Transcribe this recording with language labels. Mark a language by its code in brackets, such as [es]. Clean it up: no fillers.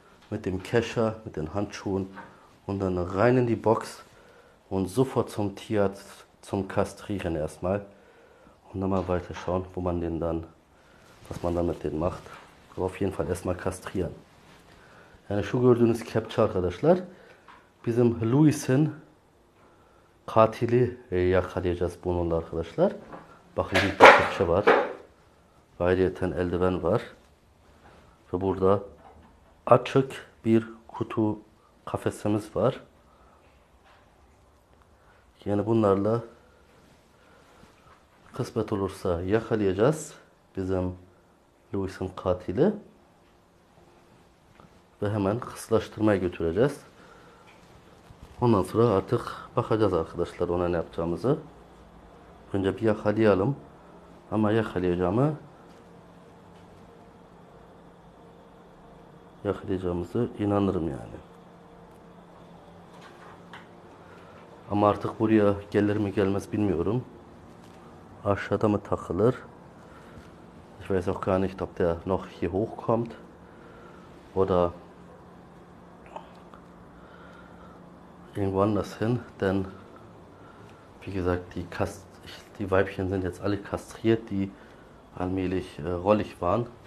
[de] mit dem Kescher, mit den Handschuhen und dann rein in die Box und sofort zum Tierarzt zum Kastrieren erstmal und dann mal weiter schauen, wo man den dann, was man dann mit denen macht. Aber auf jeden Fall erstmal kastrieren. [tr] Yani şu gördüğünüz kepçe arkadaşlar bizim Louis'in katili yakalayacağız bununla arkadaşlar. Bakın bir kepçe var. Ayrıca eldiven var. Ve burada açık bir kutu kafesimiz var. Yani bunlarla kısmet olursa yakalayacağız bizim Louis'in katili. Ve hemen kısırlaştırmaya götüreceğiz. Ondan sonra artık bakacağız arkadaşlar ona ne yapacağımızı. Önce bir yakalayalım. Ama yakalayacağımızı inanırım yani. Ama artık buraya gelir mi gelmez bilmiyorum. Aşağıda mı takılır? [de] Ich weiß auch gar nicht, ob der noch hier hochkommt. Oder irgendwo anders hin, denn wie gesagt, die Weibchen sind jetzt alle kastriert, die allmählich rollig waren.